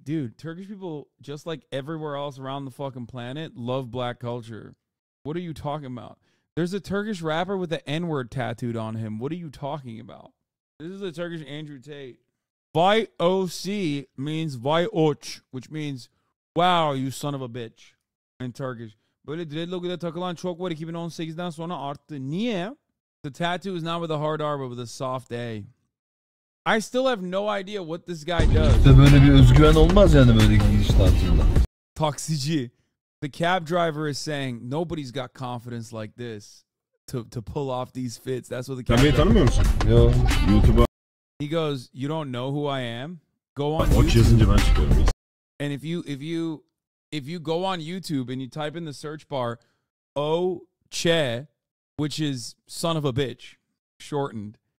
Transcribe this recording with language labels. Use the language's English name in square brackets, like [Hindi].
[English] Dude, Turkish people, just like everywhere else around the fucking planet, love black culture. What are you talking about? There's a Turkish rapper with the N-word tattooed on him. What are you talking about? This is a Turkish Andrew Tate. V-O-C means V-O-C, which means, wow, you son of a bitch, in Turkish. [Turkish] Böyle dreadlock'a takılan çok var 2018'den sonra arttı. Niye? [English] The tattoo is not with a hard R, but with a soft A. I still have no idea what this guy does. [Turkish] İşte böyle bir özgüven olmaz yani böyle giriş tarzında. Taksici. [English] The cab driver is saying, nobody's got confidence like this to pull off these fits. That's what the cab [Turkish] driver... Sen beni tanımıyor musun? [English] Yo. YouTuber. He goes, you don't know who I am? Go on [Turkish] YouTube. Watch yazınca ben çıkıyorum. [English] And if you go on YouTube and you type in the search bar, O-Che, which is son of a bitch, shortened.